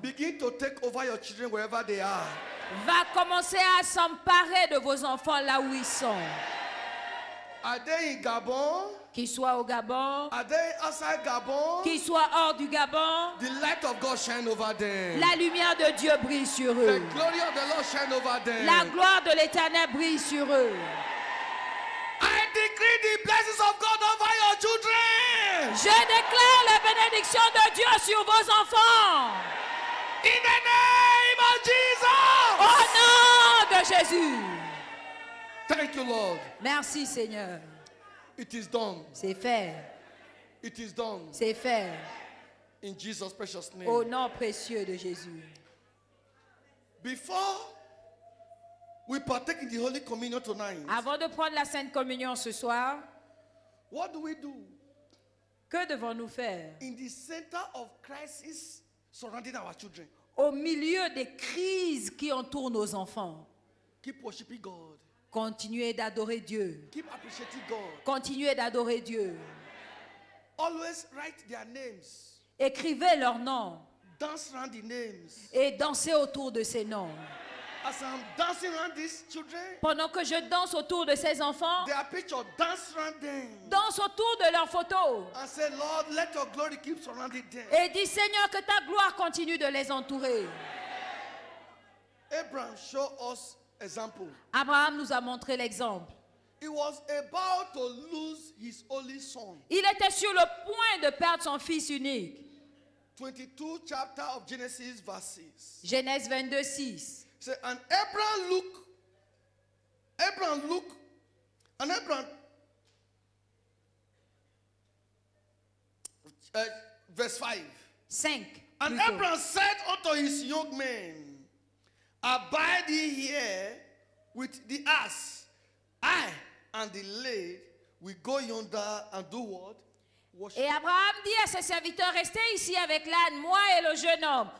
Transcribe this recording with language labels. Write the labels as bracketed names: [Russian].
[English] Begin to take over your children wherever they are. [French] Va commencer à s'emparer de vos enfants là où ils sont. [English] Are they in Gabon? [French] Qu'ils soient au Gabon. [English] Are they outside Gabon? [French] Qu'ils soient hors du Gabon. [English] The light of God shine over them. [French] La lumière de Dieu brille sur eux. [English] The glory of the Lord shine over them. [French] La gloire de l'Éternel brille sur eux. [English] I decree the blessings of God over your children. [French] Je déclare les bénédictions de Dieu sur vos enfants. [English] In the name of Jesus. [French] Au nom de Jésus. [English] Thank you, Lord. [French] Merci, Seigneur. [English] It is done. [French] C'est fait. [English] It is done. [French] C'est fait. [English] In Jesus' precious name. [French] Au nom précieux de Jésus. [English] Before we partake in the Holy Communion tonight. [French] Avant de prendre la Sainte Communion ce soir. [English] What do we do? [French] Que devons-nous faire? [English] In the center of crisis surrounding our children. [French] Au milieu des crises qui entourent nos enfants. [English] Keep worshiping God. [French] Continuez d'adorer Dieu. [English] Keep appreciating God. [French] Continuez d'adorer Dieu. [English] Always write their names. [French] Écrivez leurs noms. [English] Dance around the names. [French] Et dansez autour de ces noms. [English] As I'm dancing around these children, [French] pendant que je danse autour de ces enfants, [English] their picture dance around them. [French] Danse autour de leurs photos. [English] And say, Lord, let your glory keep surrounding them. [French] Et dis, Seigneur, que ta gloire continue de les entourer. [English] Abraham, show us example. [French] Abraham nous a montré l'exemple. [English] He was about to lose his only son. [French] Il était sur le point de perdre son fils unique. [English] 22 chapter of Genesis verse 6. [French] Genèse 22, 6. [English] And Abraham looked. Abraham looked. And Abraham. Verse 5. 5. And Abraham said unto his young men, abide ye here with the ass. I and the lad will go yonder and do what? [French] Et Abraham dit à ses serviteurs, restez ici avec l'âne, moi et le jeune homme.